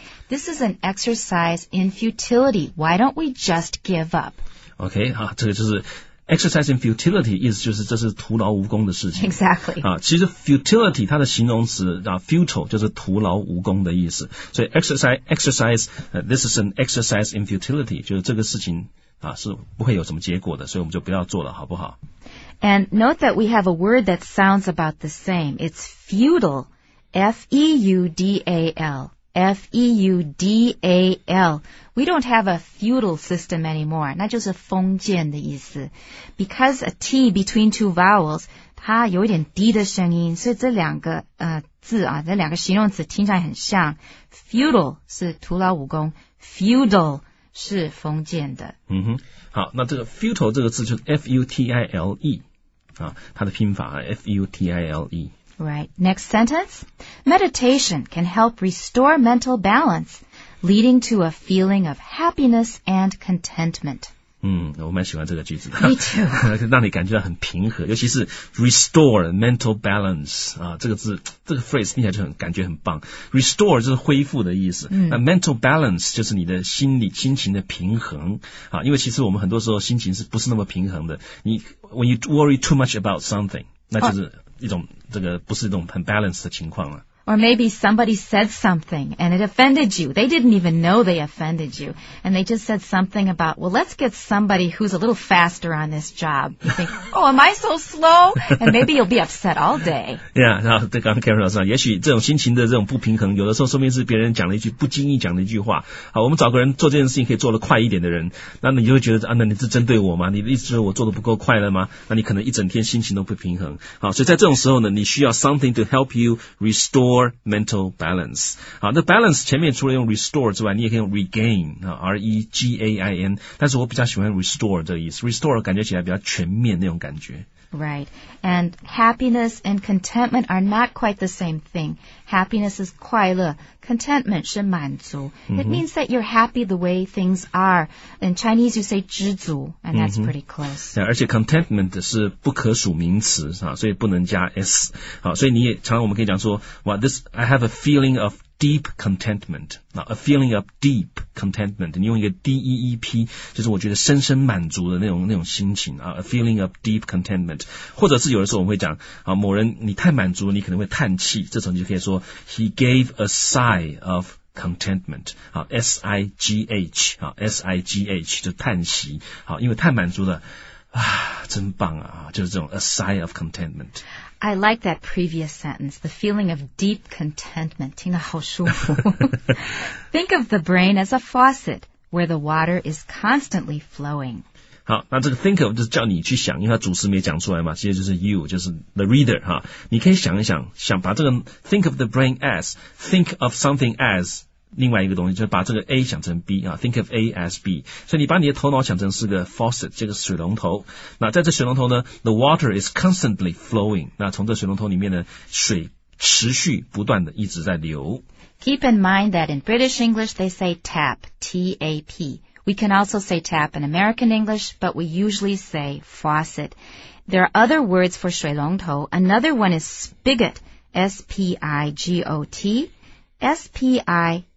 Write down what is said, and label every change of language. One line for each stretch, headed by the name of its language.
English: This is an exercise in futility. Why don't we just give up?
Chinese: Okay, 好，这个就是
English: exercise in futility
Chinese: 意思就是这是徒劳无功的事情。
English: Exactly.
Chinese: 啊，其实 futility 它的形容词啊 ，futile 就是徒劳无功的意思。所以 exercise、
English: this is an exercise in futility，
Chinese: 就是这个事情啊是不会有什么结果的，所以我们就不要做了，好不好
English: ？And note that we have a word that sounds about the same. It's futile. F-E-U-D-A-L. F-E-U-D-A-L. We don't have a feudal system anymore.
Chinese: 那就是封建的意思。
English: Because a T between two vowels,
Chinese: 它有点低的声音，所以这两个字啊，这两个形容词听起来很像。 Feudal 是徒劳无功 ，feudal 是封建的。嗯哼，好，那这个 futile 这个字就是 F-U-T-I-L-E 啊，它的拼法 F-U-T-I-L-E。
English: Right. Next sentence. Meditation can help restore mental balance, leading to a feeling of happiness and contentment.
Chinese: 嗯，我蛮喜欢这个句子的。
English: Me too.
Chinese: 让你感觉到很平和，尤其是
English: restore mental balance
Chinese: 啊，这个字，这个 phrase 听起来就很感觉很棒。 Restore 就是恢复的意思，那 mental balance 就是你的心理心情的平衡啊。因为其实我们很多时候心情是不是那么平衡的？
English: 你 when you worry too much about something，
Chinese: 那就是。一种这个不是一种很 balanced 的情况了。
English: Or maybe somebody said something and it offended you. They didn't even know they offended you. And they just said something about, well, let's get somebody who's a little faster on this job. You think, oh, am I so slow? And maybe you'll be upset all day.
Chinese: Yeah, 然后对刚刚 Karen 老师也许这种心情的这种不平衡有的时候说明是别人讲了一句不经意讲的一句话。好，我们找个人做这件事情可以做得快一点的人。那你就会觉得啊，那你是针对我吗？你的意思就是我做得不够快了吗？那你可能一整天心情都不平衡。好，所以在这种时候呢，你需要
English: something to help you restoreMental balance.
Chinese: 好，那 balance 前面除了用 restore 之外，你也可以用 regain 啊 ，R-E-G-A-I-N。但是我比较喜欢 restore 这个意思 ，restore 感觉起来比较全面那种感觉。
English: Right, and happiness and contentment are not quite the same thing. Happiness is
Chinese: 快乐 ，contentment 是满足。
English: It means that you're happy the way things are. In Chinese, you say
Chinese: 知足
English: and that's pretty close.
Chinese: Yeah, 而且 contentment 是不可数名词啊，所以不能加 s。好，所以你也常常我们可以讲说
English: ，Well, this I have a feeling of deep contentment. Now, a feeling of deep contentment.
Chinese: 你用一个 D-E-E-P, 就是我觉得深深满足的那种心情啊 ,
English: a feeling of deep contentment.
Chinese: 或者是有的时候我们会讲啊某人你太满足你可能会叹气这时候你就可以说 ,
English: he gave a sigh of contentment.
Chinese: 啊 ,S-I-G-H, 啊 ,S-I-G-H, 就叹息啊因为太满足了啊真棒啊就是这种
English: a sigh of contentment. I like that previous sentence, the feeling of deep contentment.
Chinese: 听得好舒服。
English: Think of the brain as a faucet where the water is constantly flowing.
Chinese: 好，那这个 think of 就是叫你去想，因为它主词没讲出来嘛，其实就是 you, 就是 the reader, 哈。你可以想一想，想把这个
English: think of the brain as, think of something as,
Chinese: 另外一个东西就是把这个 A 想成 B 啊 ，
English: think of A as B。
Chinese: 所以你把你的头脑想成是个 faucet， 这个水龙头。那在这水龙头呢 ，
English: the water is constantly flowing。
Chinese: 那从这水龙头里面呢，水持续不断的一直在流。
English: Keep in mind that in British English they say tap, T A P. We can also say tap in American English, but we usually say faucet. There are other words for
Chinese: 水龙头。
English: Another one is spigot, S P I G O T, S P I.